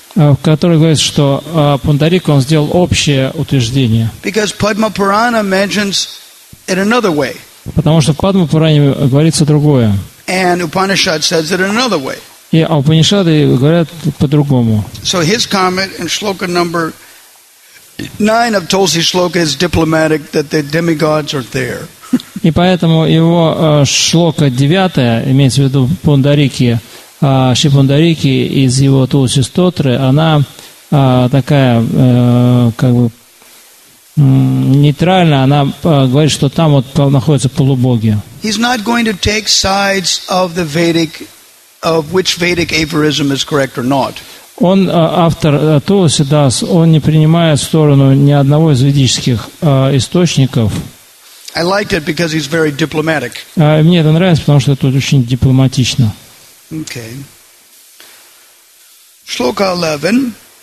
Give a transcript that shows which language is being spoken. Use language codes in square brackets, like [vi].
[ru] В которой говорится, что Пундарик он сделал общее утверждение. [en] Because Padma Purana mentions it another way. [ru] Потому что в Падма Пуране говорится другое. [en] And Upanishad says it another way. [ru] И Упанишады говорят по-другому. [en] So his comment in shloka number 9 of Tulsi shloka is diplomatic that the demigods are there. [ru] И поэтому его шлока девятая, имеется в виду Пундарики, Шри Пундарики из его Туласи Стотры, она такая, как бы, нейтральная, она говорит, что там вот находятся полубоги. [en] He's not going to take sides of the Vedic, of which Vedic aphorism is correct or not. [ru] Он, автор Туласи Дас, он не принимает сторону ни одного из ведических источников. [en] I liked it because he's very diplomatic. [ru] Мне это нравится, потому что это очень дипломатично. [en] Okay. Shloka 11.